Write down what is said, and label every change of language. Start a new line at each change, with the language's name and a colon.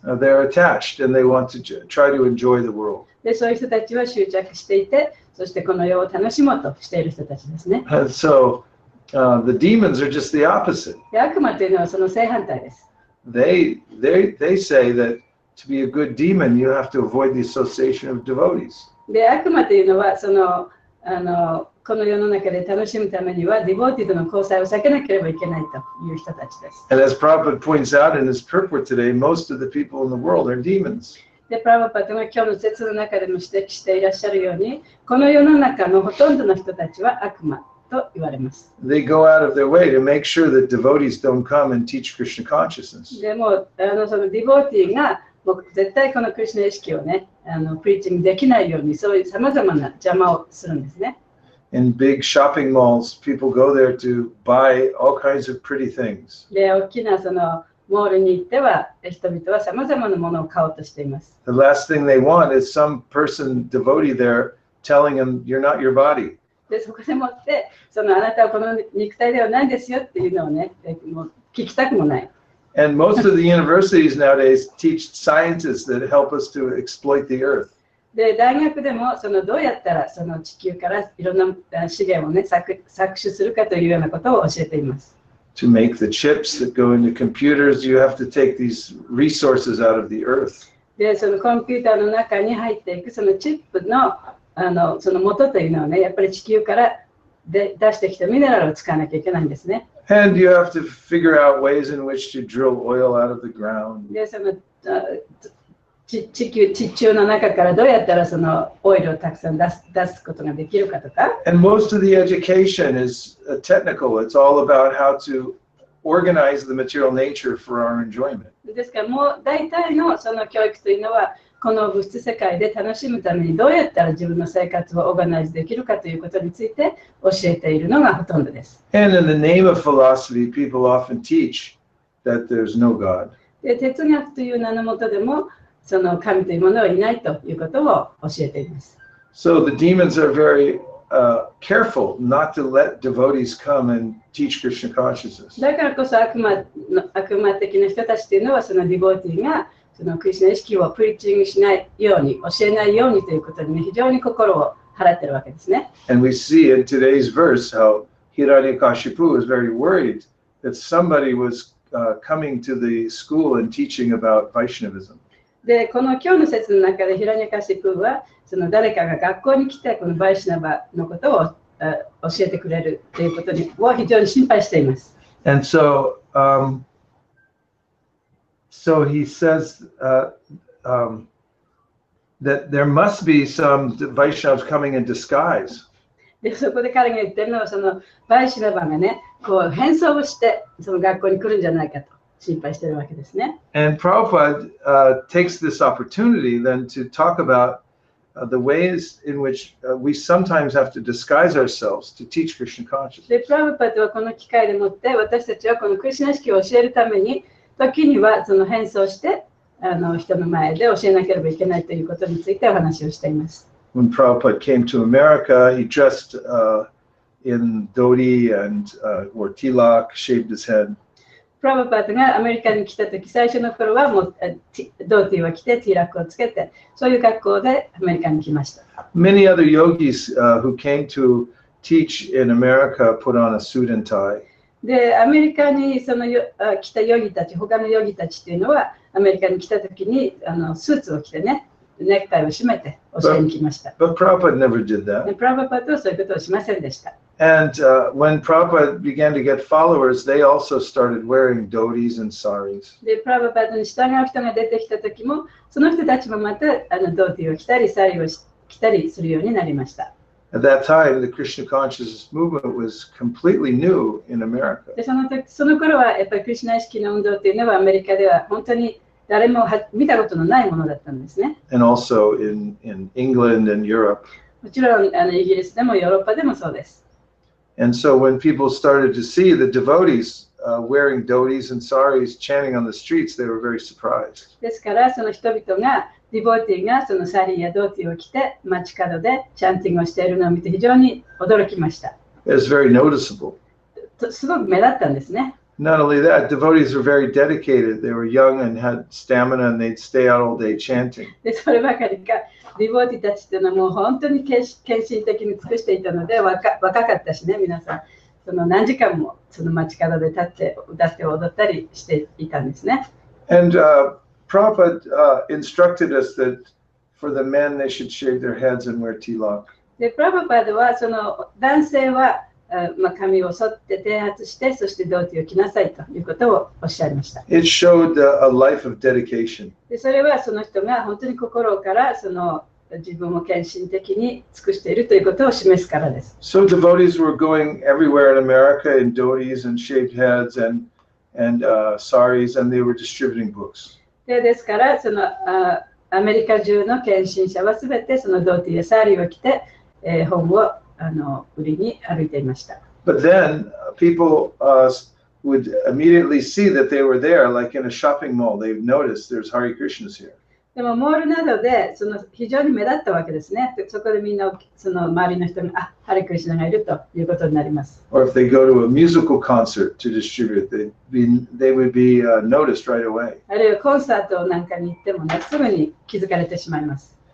English: They're attached and they want to try to enjoy the world.
Japanese: で、そういう人たちは執着していて、そしてこの世を楽しもうとしている人たちですね。
English: And so, the demons are just the opposite.
Japanese: 悪魔というのはその正反対です。
English: They say that. To be a good demon, you have to avoid the association of devotees.
Japanese: で、悪魔というのは、その、あの、この世の中で楽しむためには、ディボーティとの交際を避けなければいけないという人たちです。
English: And as Prabhupada points out in his purport today, most of the people in the world are demons.
Japanese: で、プラヴァパダが今日の説の中でも指摘していらっしゃるように、この世の中のほとんどの人たちは悪魔と言われます。
English: They go out of their way to make sure that devotees don't come and teach Krishna consciousness.
Japanese: でも、あの、そのディボーティが絶対このクリシナ意識をね、あの、プリーチングできないように、そういうさまざまな邪魔をするんですね。
English: In big shopping malls, people go there to buy all kinds of pretty things.
Japanese: で、大きなそのモールに行っては、人々はさまざまなものを買おうとしています。
English: The last thing they want is some person devotee there telling them, you're not your body.
Japanese: で、そこでもって、そのあなたはこの肉体ではないですよっていうのをね、もう聞きたくもない。
English: And most of the universities nowadays teach scientists that help us to exploit the earth.
Japanese: で、大学でもそのどうやったらその地球からいろんな資源をね、搾取するかというようなことを教えています。
English: To make the chips that go into computers, you have to take these resources out of the earth.
Japanese: で、そのコンピューターの中に入っていくそのチップの、あの、その元というのはね、やっぱり地球から出してきたミネラルを使わなきゃいけないんですね。
English: And you have to figure out ways in which to drill oil out of the ground.
Japanese: で、その、地中の中からどうやったらそのオイルをたくさん出すことができるかとか。
English: And most of the education is technical. It's all about how to organize the material nature for our enjoyment.
Japanese: ですから、もう大体のその教育というのは、この物質世界で楽しむためにどうやったら自分の生活をオーガナイズできるかということについて教えているのがほとんどです。
English: And in the name of philosophy, people often teach that there's no God.
Japanese: で、哲学という名のもとでも、その神というものはいないということを教えています。
English: So the demons are very, careful not to let devotees come and teach Krishna consciousness.
Japanese: だからこそ悪魔的な人たちというのは、そのディボーティーが、そのクリスナ意識をプリッチングしないように、教えないようにということに、ね、非常に心を払っているわけですね。
English: And we see in today's verse how Hiranyakashipu was very worried that somebody was coming to the school and teaching about Vaishnavism.
Japanese: で、この今日の説の中で、Hiranyakashipu はその誰かが学校に来て、このバイシナバのことを教えてくれるということを非常に心配しています。
English: And so, So he says that there must be some Vaishnavas coming in disguise.
Japanese: で、そこで彼が言ってるのは、そのバイシナバがね、こう変装をしてその学校に来るんじゃないかと心配してるわけですね。
English: And Prabhupada takes this opportunity then to talk aboutthe ways in which we sometimes have to disguise ourselves to teach Krishna consciousness.
Japanese: で、プラヴパッドはこの機会でもって、私たちはこのクリシナ意識を教えるために時にはその変装して人の前で教えなければいけないということについてお話をしています。
English: When Prabhupada came to America, he dressed in dhoti and wore tilak, shaved his head.
Japanese: Prabhupada がアメリカに来た時、最初の頃はもうドーティーを着てティーラックをつけて、そういう格好でアメリカに来ました。
English: Many other yogis who came to teach in America put on a suit and tie.
Japanese: で、アメリカにその来たヨギたち、他のヨギたちというのは、アメリカに来た時にスーツを着てね、ネクタイを締めて教えに来ました。
English: But Prabhupada never did that.
Japanese: で、プラヴァパッドはそういうことをしませんでした。
English: And when Prabhupada began to get followers, they also started wearing dhotis and saris.
Japanese: で、プラヴァパッドに従う人が出てきた時も、その人たちもまたドーティを着たり、サリを着たりするようになりました。
English: At that time, the Krishna consciousness movement was completely new in America.
Japanese: その頃はやっぱりクリシナ意識の運動というのはアメリカでは本当に誰も見たことのないものだったんですね。
English: And also in England and Europe.
Japanese: もちろんイギリスでもヨーロッパでもそうです。
English: And so when people started to see the devotees wearing dhotis and saris chanting on the streets, they were very surprised.
Japanese: ですからその人々がディボーティーがそのサリーやドーティーを着て街角でチャンティングをしているのを見て非常に驚きました。
English: It's very noticeable.
Japanese: すごく目立ったんですね。
English: Not only that, devotees were very dedicated. They were young and had stamina and they'd stay out all day chanting.
Japanese: で、そればかりか、ディボーティーたちというのはもう本当に献身的に尽くしていたので若かったしね、皆さん。その何時間もその街角で立って歌って踊ったりしていたんですね。
English: And, Prabhupada instructed us that for the men they should shave their heads and wear tilak.
Japanese: で、プラヴァパッドはその男性は、髪を剃って剃髪して、そしてドーティを着なさいということをおっしゃいました。
English: It showed a life of dedication.
Japanese: で、それはその人が本当に心からその自分を献身的に尽くしているということを示すからです。
English: So devotees were going everywhere in America in dhotis and shaved heads and saris and they were distributing books.
Japanese: ですからそのアメリカ中の献身者はすべてそのドーティーやサーリーを着て、本を売りに歩いていました。
English: But then people would immediately see that they were there, like in a shopping mall. They've noticed there's Hare Krishnas here.
Japanese: でもモールなどでその非常に目立ったわけですね。そこでみんなその周りの人が、ハレクリシナがいるということになります。
English: Or if they go to a musical concert to distribute, they would be noticed right away.
Japanese: あるいはコンサートなんかに行っても、ね、すぐに気づかれてしまいます。